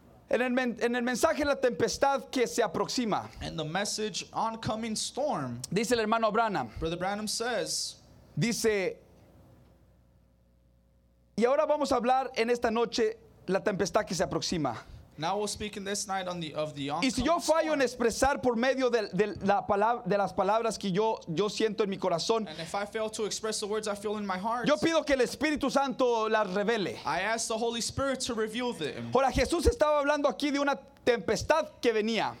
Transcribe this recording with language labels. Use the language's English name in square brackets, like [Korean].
[Spanish] En el mensaje la tempestad que se aproxima. [English] In the message oncoming storm. [Spanish] Dice el hermano Branham. [English] Brother Branham says. [Spanish] Dice. Y ahora vamos a hablar en esta noche la tempestad que se aproxima. [English] Now we'll speak in this night on the of the oncoming [Spanish] storm. Y si yo fallo [English] storm. [Spanish] En expresar por medio de las palabras que yo siento en mi corazón. [English] And if I fail to express the words I feel in my heart. [Spanish] Yo pido que el Espíritu Santo las revele. [English] I ask the Holy Spirit to reveal them. [Spanish] Ahora Jesús estaba hablando aquí de una tempestad que venía.